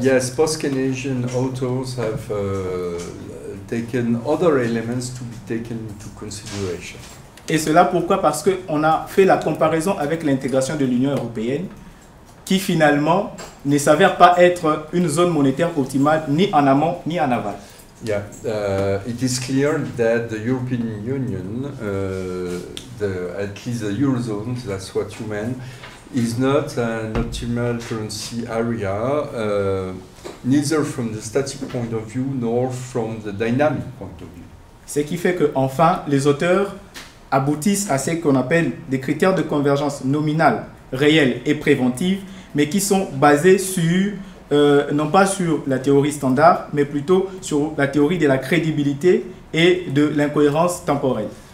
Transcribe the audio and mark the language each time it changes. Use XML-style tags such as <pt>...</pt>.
<en>Yes, post-keynésien authors have taken other elements to be taken into consideration.</en> <fr>Et cela pourquoi? Parce qu'on a fait la comparaison avec l'intégration de l'Union européenne, qui finalement ne s'avère pas être une zone monétaire optimale ni en amont ni en aval.</fr> <en>Yeah, it is clear that the European Union, at least the eurozone, that's what you mean, is not an optimal currency area, neither from the static point of view nor from the dynamic point of view.</en> <fr>Ce qui fait que enfin les auteurs aboutissent à ce qu'on appelle des critères de convergence nominale, réelle et préventive, mais qui sont basés sur, non pas sur la théorie standard, mais plutôt sur la théorie de la crédibilité et de l'incohérence temporelle.</fr>